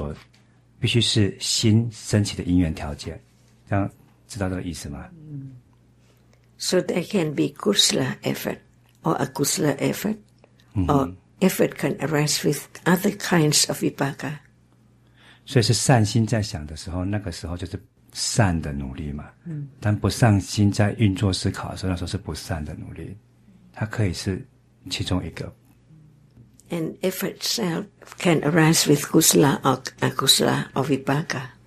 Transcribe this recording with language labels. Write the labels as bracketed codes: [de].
[zh] 当眼识耳识这些是果报心，对不对？它并不需要努力，因为业已经够强造成业报了，它不需要努力这个因缘条件。但是在心是用善心或不善心在思考的时候呢，它是有一个努力这一个心所必须是心升起的因缘条件。这样知道这个意思吗? [en] So there can be kusala effort or akusala effort or effort can arise with other kinds of vipaka. [zh] 所以是善心在想的时候，那个时候就是善的努力嘛。但不善心在运作思考的时候，那时候是不善的努力。它可以是其中一个。 [en] And effort itself can arise with kusala or akusala or vipaka.